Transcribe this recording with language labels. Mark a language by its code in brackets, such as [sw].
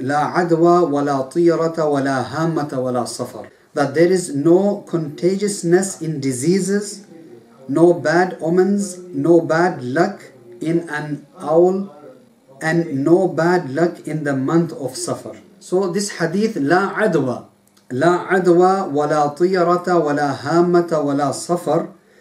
[ar] لا عدوى ولا طيرة ولا هامة ولا صفر. [en] That there is no contagiousness in diseases, no bad omens, no bad luck in an owl, and no bad luck in the month of Safar. So this hadith, [ar] لا عدوى ولا طيرة ولا هامة ولا صفر.